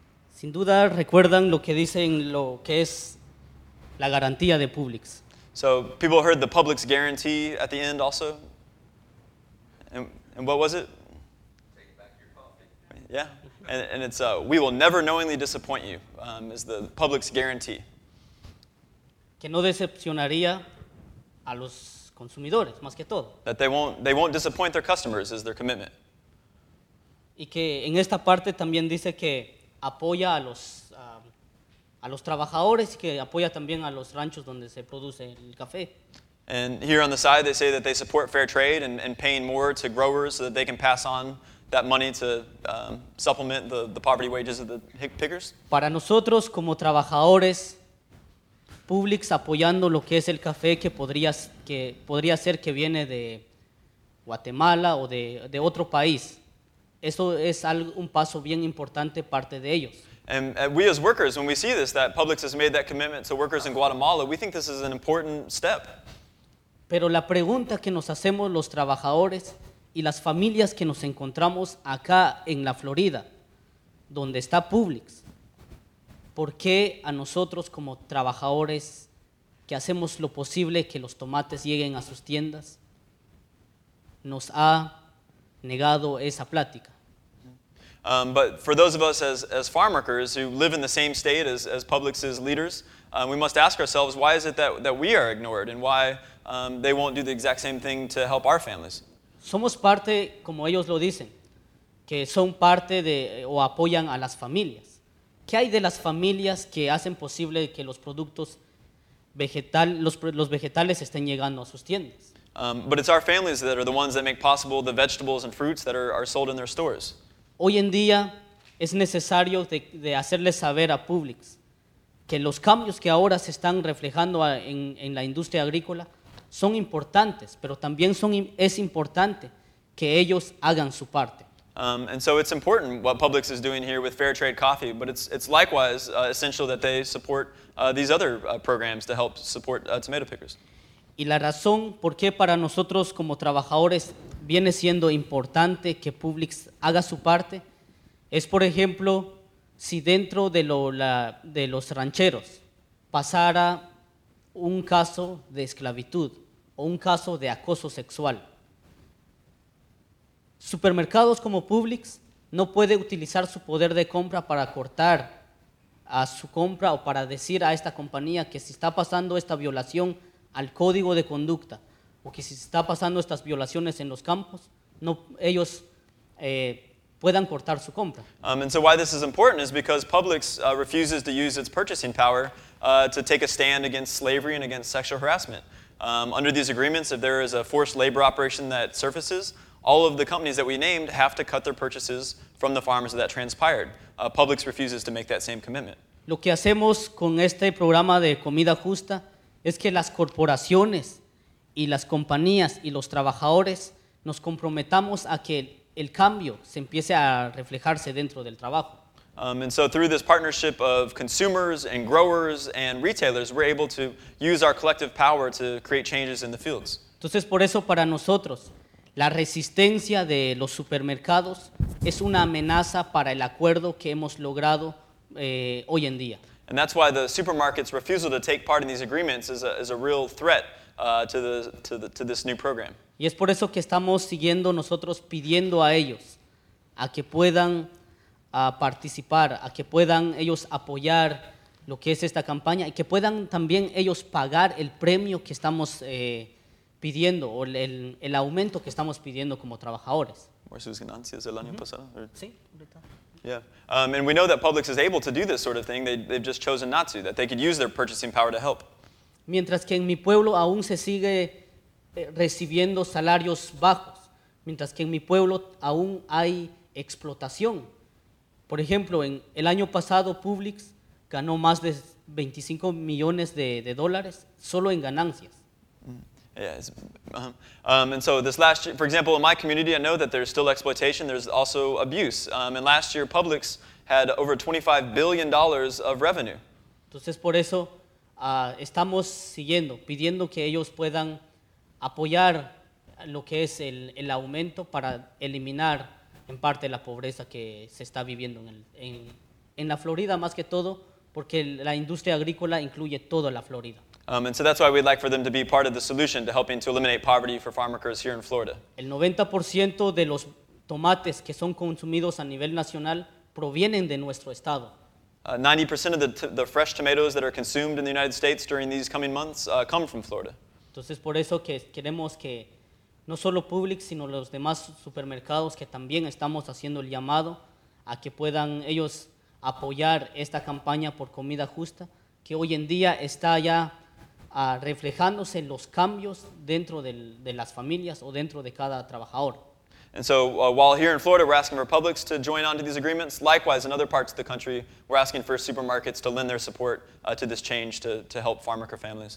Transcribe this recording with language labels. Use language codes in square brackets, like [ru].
[es] Sin duda recuerdan lo que dicen lo que es la garantía de Publix. [en] So people heard the Publix guarantee at the end also? And what was it? Yeah, and it's, we will never knowingly disappoint you, is the Publix guarantee. [es] Que no decepcionaría a los consumidores, más que todo. [en] That they won't disappoint their customers is their commitment. [es] Y que en esta parte también dice que apoya a los trabajadores y que apoya también a los ranchos donde se produce el café. [en] And here on the side they say that they support fair trade and paying more to growers so that they can pass on that money to supplement the poverty wages of the pickers. [es] Para nosotros como trabajadores, Publix apoyando lo que es el café que podría ser que viene de Guatemala o de otro país. Eso es un paso bien importante parte de ellos. [en] And we as workers, when we see this, that Publix has made that commitment to workers in Guatemala, we think this is an important step. [es] Pero la pregunta que nos hacemos los trabajadores y las familias que nos encontramos acá en la Florida, donde está Publix, ¿por qué a nosotros como trabajadores que hacemos lo posible que los tomates lleguen a sus tiendas, nos ha negado esa plática? [en] But for those of us as farm workers who live in the same state as Publix's leaders, we must ask ourselves, why is it that we are ignored and why they won't do the exact same thing to help our families? [es] Somos parte, como ellos lo dicen, que son parte de o apoyan a las familias. ¿Qué hay de las familias que hacen posible que los productos los vegetales estén llegando a sus tiendas? [en] But it's our families that are the ones that make possible the vegetables and fruits that are sold in their stores. [es] Hoy en día es necesario de hacerles saber a Publix que los cambios que ahora se están reflejando en la industria agrícola son importantes, pero también es importante que ellos hagan su parte. [en] And so it's important what Publix is doing here with Fair Trade Coffee, but it's likewise essential that they support these other programs to help support tomato pickers. [es] Y la razón por qué para nosotros como trabajadores viene siendo importante que Publix haga su parte es, por ejemplo, si dentro de los rancheros pasara un caso de esclavitud o un caso de acoso sexual. Supermercados como Publix no puede utilizar su poder de compra para cortar a su compra o para decir a esta compañía que si está pasando esta violación al código de conducta o que si está pasando estas violaciones en los campos, no ellos puedan cortar su compra. [en] And so why this is important is because Publix refuses to use its purchasing power to take a stand against slavery and against sexual harassment. Under these agreements, if there is a forced labor operation that surfaces, all of the companies that we named have to cut their purchases from the farmers that transpired. Publix refuses to make that same commitment. [es] Lo que hacemos con este programa de comida justa es que las corporaciones y las compañías y los trabajadores nos comprometamos a que el cambio se empiece a reflejarse dentro del trabajo. [en] And so through this partnership of consumers and growers and retailers, we're able to use our collective power to create changes in the fields. [es] Entonces, por eso para nosotros, la resistencia de los supermercados es una amenaza para el acuerdo que hemos logrado hoy en día. [en] And that's why the supermarket's refusal to take part in these agreements is a real threat to this new program. [es] Y es por eso que estamos siguiendo nosotros pidiendo a ellos a que puedan a participar, a que puedan ellos apoyar lo que es esta campaña y que puedan también ellos pagar el premio que estamos pidiendo o el aumento que estamos pidiendo como trabajadores. Versus ganancias el año pasado. [en] Or... [es] Sí. [en] Yeah, and we know that Publix is able to do this sort of thing. They've just chosen not to. That they could use their purchasing power to help. [es] Mientras que en mi pueblo aún se sigue recibiendo salarios bajos, mientras que en mi pueblo aún hay explotación. Por ejemplo, en el año pasado Publix ganó más de 25 millones de dólares solo en ganancias. [en] Yeah, and so this last year, for example, in my community, I know that there's still exploitation, there's also abuse. And last year, Publix had over $25 billion of revenue. [es] Entonces, por eso, estamos siguiendo, pidiendo que ellos puedan apoyar lo que es el aumento para eliminar en parte la pobreza que se está viviendo en la Florida, más que todo, porque la industria agrícola incluye toda la Florida. [en] And so that's why we'd like for them to be part of the solution to helping to eliminate poverty for farm workers here in Florida. [es] El 90% de los tomates que son consumidos a nivel nacional provienen de nuestro estado. [en] 90% of the fresh tomatoes that are consumed in the United States during these coming months come from Florida. [es] Entonces por eso que queremos que no solo Publix sino los demás supermercados que también estamos haciendo el llamado a que puedan ellos apoyar esta campaña por comida justa que hoy en día está ya a reflejándose en los cambios dentro de las familias o dentro de cada trabajador. [en] And so while here in Florida we're asking for Publix to join on to these agreements, likewise in other parts of the country we're asking for supermarkets to lend their support to this change to help farm worker families.